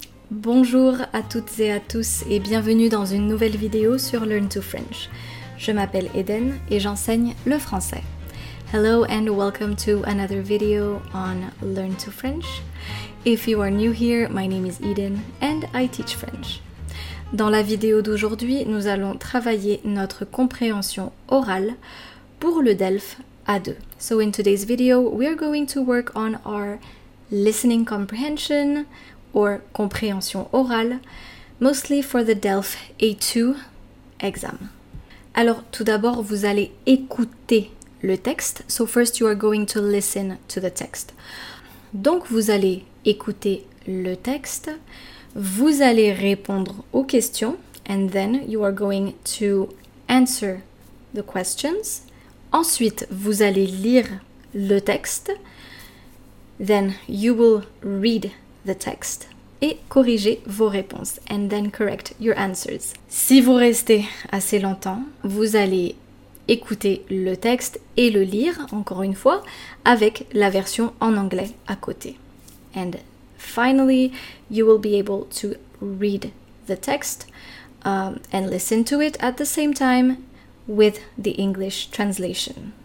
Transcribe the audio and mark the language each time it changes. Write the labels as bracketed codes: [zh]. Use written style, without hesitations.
[fr] Bonjour à toutes et à tous et bienvenue dans une nouvelle vidéo sur Learn to French. Je m'appelle Eden et j'enseigne le français. [en] Hello and welcome to another video on Learn to French. If you are new here, my name is Eden and I teach French. [fr] Dans la vidéo d'aujourd'hui, nous allons travailler notre compréhension orale pour le DELF A2. [en] So in today's video, we are going to work on our listening comprehension or compréhension orale, mostly for the DELF A2 exam. [fr] Alors tout d'abord, vous allez écouter le texte. [en] So first you are going to listen to the text. [fr] Donc vous allez écouter le texte, vous allez répondre aux questions, [en] and then you are going to answer the questions. [fr] Ensuite, vous allez lire le texte, [en] then you will read the text, [fr] et corriger vos réponses, [en] and then correct your answers. [fr] Si vous restez assez longtemps, vous allez écouter le texte et le lire, encore une fois, avec la version en anglais à côté. [en] And finally, you will be able to read the text and listen to it at the same time with the English translation.